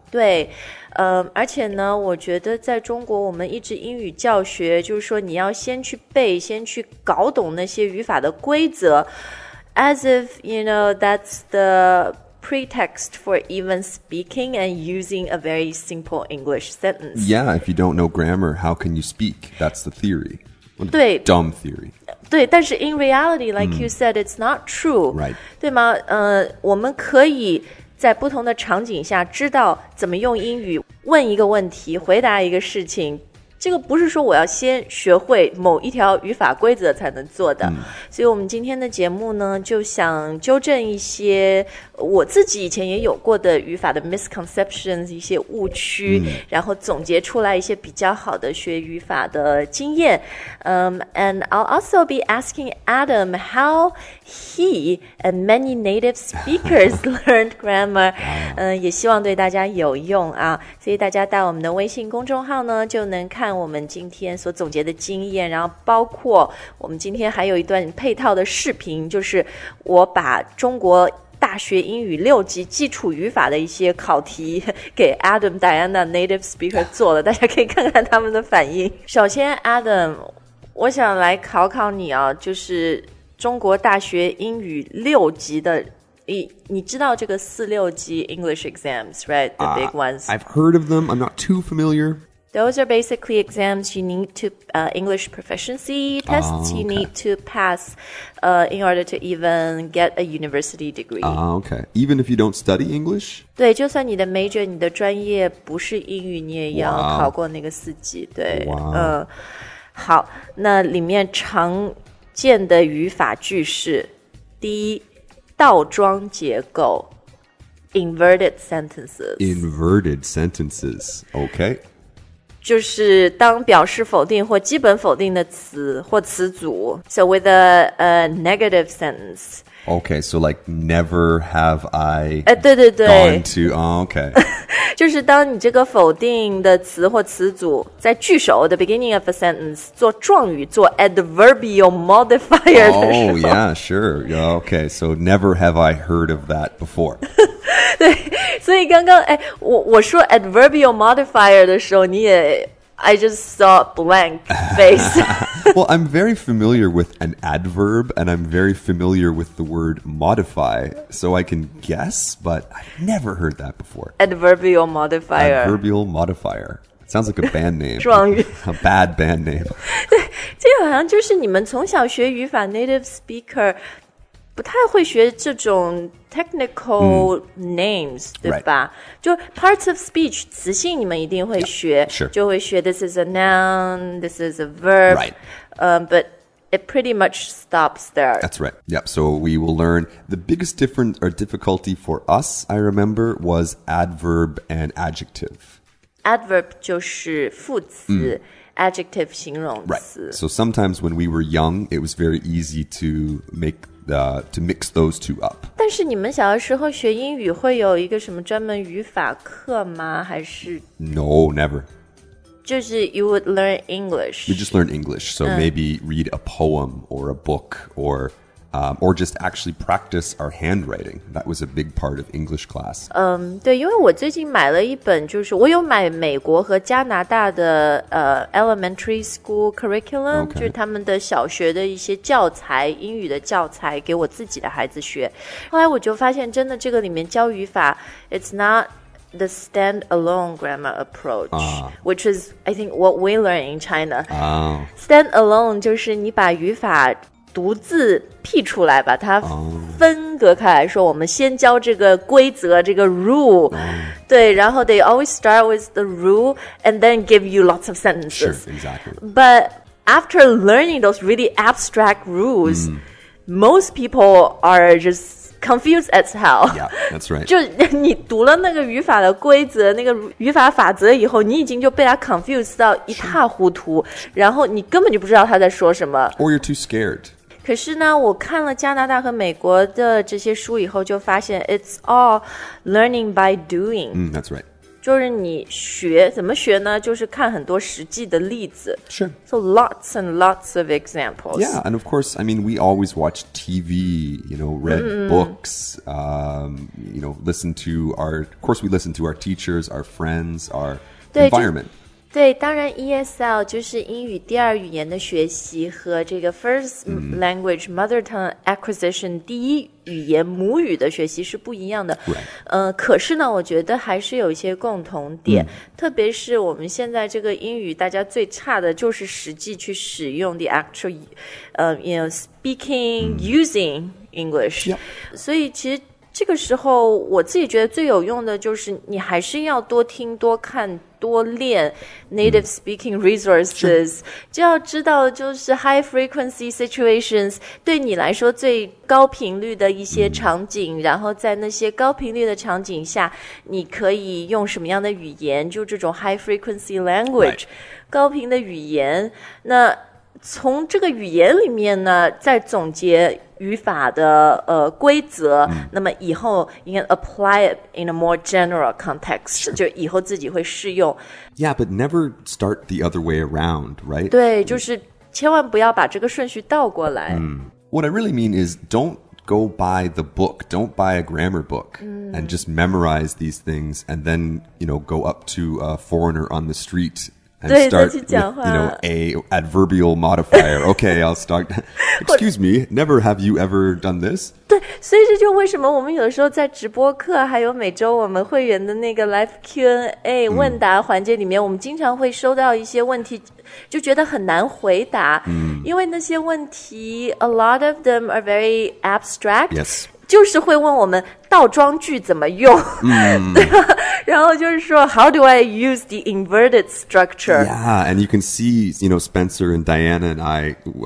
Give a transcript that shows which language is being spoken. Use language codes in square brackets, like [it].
[zh] 对，而且呢，我觉得在中国我们一直英语教学，就是说你要先去背，先去搞懂那些语法的规则， [en] as if, you know, that's the pretext for even speaking and using a very simple English sentence. Yeah, if you don't know grammar, how can you speak? That's the theory. [zh] 对 [en] dumb theory. [zh] 对，但是 [en] in reality, like you said, it's not true. Right. [zh] 对吗？我们可以在不同的场景下知道怎么用英语问一个问题，回答一个事情。这个不是说我要先学会某一条语法规则才能做的。所以我们今天的节目呢，就想纠正一些我自己以前也有过的语法的 misconceptions, 一些误区，然后总结出来一些比较好的学语法的经验。 [en] And I'll also be asking Adam how he and many native speakers learned grammar. [zh] 也希望对大家有用啊。所以大家到我们的微信公众号呢，就能看我们今天所总结的经验，然后包括我们今天还有一段配套的视频，就是我把中国大学英语六级基础语法的一些考题给 Adam Diana Native Speaker 做了，大家可以看看他们的反应。首先 Adam, 我想来考考你啊，就是中国大学英语六级的，你知道这个四六级 [en] English exams, right? The big ones. I've heard of them, I'm not too familiar. Those are basically exams you need to, English proficiency tests you need to pass, in order to even get a university degree. Even if you don't study English? [zh] 对，就算你的 major, 你的专业不是英语，你也要考过那个四级，对。好，那里面常见的语法句式，第一，倒装结构， inverted sentences. [en] Inverted sentences, okay. [zh] 就是当表示否定或基本否定的词或词组。 [en] So with a negative sentence. Okay, so like never have I [zh] 对对对 [en] gone to, okay. [zh] 就是当你这个否定的词或词组在句首 [en] the beginning of a sentence [zh] 做状语做 adverbial modifier 的时候。 [en] Oh, yeah, sure. Okay, so never have I heard of that before. [zh] 对，所以刚刚我说 adverbial modifier 的时候，你也 [en] I just saw blank face. Well, I'm very familiar with an adverb, and I'm very familiar with the word modify, so I can guess, but I've never heard that before. Adverbial modifier. Adverbial modifier. Sounds like a band name. [zh] 壮语 [en] A bad band name. [zh] 对，这好像就是你们从小学语法 native speaker不太会学这种 technical names, 对吧、 [en] right. [zh] 就 parts of speech, 词性你们一定会学 [en] yeah,、sure. [zh] 就会学 [en] this is a noun, this is a verb,、 right. But it pretty much stops there. That's right. Yep, so we will learn. The biggest difference or difficulty for us, I remember, was adverb and adjective. [zh] Adverb 就是副词、adjective 形容词。 [en] Right. So sometimes when we were young, it was very easy to make... to mix those two up. [zh] 但是你们小的时候学英语会有一个什么专门语法课吗？还是 [en] No, never. [zh] 就是 [en] you would learn English. We just learn English, so maybe read a poem or a book or,or just actually practice our handwriting. That was a big part of English class. [zh] 对，因为我最近买了一本，就是我有买美国和加拿大的elementary school curriculum,、 [en] okay. [zh] 就是他们的小学的一些教材，英语的教材给我自己的孩子学。后来我就发现，真的这个里面教语法 ， [en] it's not the stand-alone grammar approach,、which is I think what we learn in China.、 [zh] Stand-alone 就是你把语法独自辟出来，把它分隔开来说，我们先教这个规则，这个 rule、oh. 对，然后 [en] they always start with the rule and then give you lots of sentences. Sure, exactly. But after learning those really abstract rules,、mm. most people are just confused as hell. Yeah, that's right. [zh] 就你读了那个语法的规则，那个语法法则以后，你已经就被它 confused 到一塌糊涂，然后你根本就不知道他在说什么。 [en] Or you're too scared. [zh] 可是呢，我看了加拿大和美国的这些书以后，就发现 [en] it's all learning by doing. [zh] 嗯、 [en] that's right. [zh] 就是你学，怎么学呢？就是看很多实际的例子。 [en] Sure. So lots and lots of examples. Yeah, and of course, I mean, we always watch TV, you know, read、mm-hmm. books,、you know, listen to our, of course, we listen to our teachers, our friends, our environment. [zh] 对，当然 ESL 就是英语第二语言的学习和这个 first language、mm. mother tongue acquisition 第一语言母语的学习是不一样的。 [en] Right. [zh] 可是呢，我觉得还是有一些共同点、mm. 特别是我们现在这个英语大家最差的就是实际去使用 [en] the actual, you know, speaking,、 [zh] mm. [en] using English.、 Yep. [zh] 所以其实这个时候我自己觉得最有用的就是你还是要多听多看多练 native speaking resources、嗯、就要知道就是 high frequency situations 对你来说最高频率的一些场景、嗯、然后在那些高频率的场景下你可以用什么样的语言就这种 high frequency language、 [en] right. [zh] 高频的语言那从这个语言里面呢再总结语法的规则、 [en] mm. [zh] 那么以后 [en] you can apply it in a more general context、 sure. [zh] 就以后自己会适用 [en] Yeah, but never start the other way around, right? [zh] 对、mm. 就是千万不要把这个顺序倒过来、 [en] mm. What I really mean is don't go buy the book Don't buy a grammar book、 mm. And just memorize these things And then, you know, go up to a foreigner on the streetAnd start with, you know, a adverbial modifier. Okay, I'll start. Excuse me, never have you ever done this? [zh] 对，所以这就为什么我们有的时候在直播课，还有每周我们会员的那个 live Q&A 问答环节里面，我们经常会收到一些问题，就觉得很难回答。 [en] 因为那些问题 ， a lot of them are very abstract. Yes. [zh] 就是会问我们倒装句怎么用、然后就是说 [en] How do I use the inverted structure? Yeah, and you can see, you know, Spencer and Diana and I